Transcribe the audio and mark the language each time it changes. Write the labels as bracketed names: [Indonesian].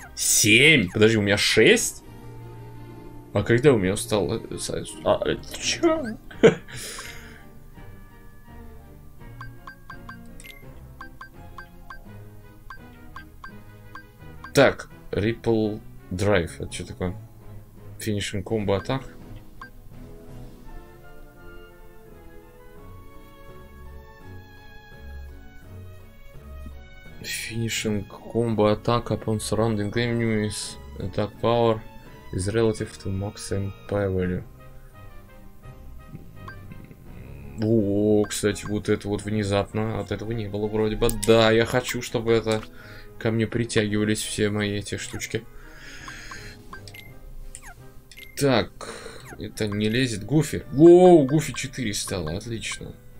[Russian] 7! Подожди, у меня 6? А когда у меня устал... А, чё? Так, Ripple Drive, это что такое? [English] Finishing Combo Attack? Finishing Combo Attack upon surrounding enemies. Attack power is relative to max MP value. [Russian] О, кстати, вот это вот внезапно. От этого не было вроде бы. Да, я хочу, чтобы это... Ко мне притягивались все мои эти штучки. Так, это не лезет. Гуфи. Воу, Гуфи 4 стало. Отлично.